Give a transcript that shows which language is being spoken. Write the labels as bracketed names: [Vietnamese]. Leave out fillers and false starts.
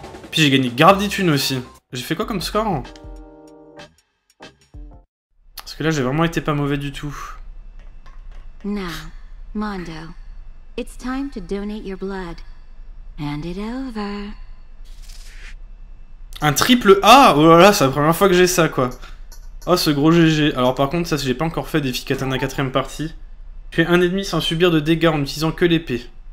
[French] Puis j'ai gagné grave des thunes aussi. J'ai fait quoi comme score? Parce que là, j'ai vraiment été pas mauvais du tout. [English] Now, Mondo, it's time to donate your blood. Hand it over. [French] Un triple A? Oh là là, c'est la première fois que j'ai ça, quoi. Oh, ce gros GG. Alors par contre, ça, j'ai pas encore fait des filles katana 4ème partie. Fais un ennemi sans subir de dégâts en utilisant que l'épée.